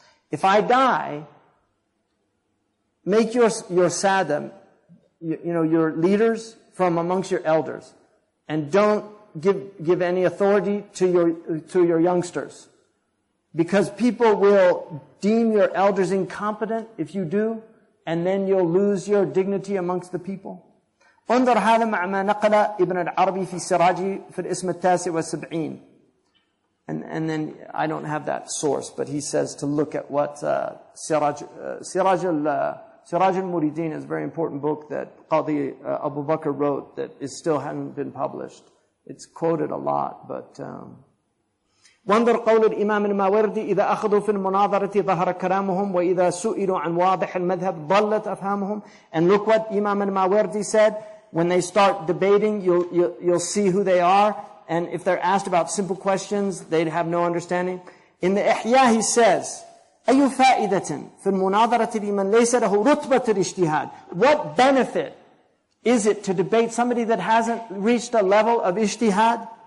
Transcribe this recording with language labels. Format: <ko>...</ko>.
<en>If I die, make your sada, you know, your leaders from amongst your elders. And don't give any authority to your youngsters. Because people will deem your elders incompetent if you do, and then you'll lose your dignity amongst the people.</en> <ar>انظر هذا مع ما نقل ابن العربي في سراجي في الاسم التاسع والسبعين.</ar> <en>And then I don't have that source, but he says to look at what Siraj al-Muridin is a very important book that Qadi Abu Bakr wrote that is still hadn't been published. It's quoted a lot, but</en> <ar>وانظر قول الإمام الماوردي إذا أخذوا في المناظرة ظهر كرامهم وإذا سئلوا عن واضح المذهب ضلت أفهامهم.</ar> <en>And look what Imam al-Maawardi said. When they start debating, you'll see who they are. And if they're asked about simple questions, they'd have no understanding. In the Ihya, he says,</en> <ar>أَيُّ فَائِدَةٍ فِي الْمُنَاظَرَةِ لِمَنْ لَيْسَ لَهُ رُتْبَةُ الْإِجْتِهَادِ.</ar> <en>What benefit is it to debate somebody that hasn't reached a level of ijtihad?</en>